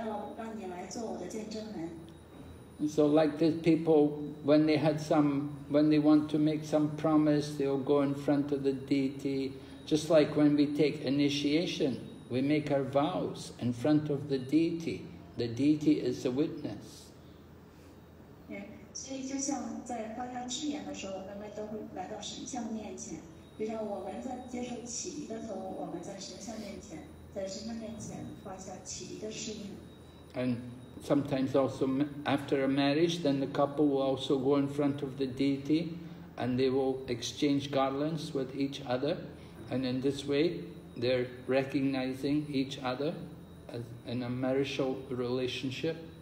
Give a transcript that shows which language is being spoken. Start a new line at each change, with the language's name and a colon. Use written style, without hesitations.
Chinese: 然后这年轻人也对哥帕神像说，他说：“我亲爱的主啊，然后现在你要做我的见证人。如果将来在这件事情上有任何的问题的话，我要让你来做我的见证人。”
English: So like these people, when they had some, when they want to make some promise, they'll go in front of the deity. Just like when we take initiation, we make our vows in front of the deity. The deity is the witness.
Chinese: 所以就像在发下誓言的时候，人们都会来到神像面前。就像我们在接受起义的时候，我们在神像面前，在神像面前发下起义的誓言。
English: And sometimes also after a marriage, then the couple will also go in front of the deity, and they will exchange garlands with each other, and in this way, they're recognizing each other as in a marital relationship.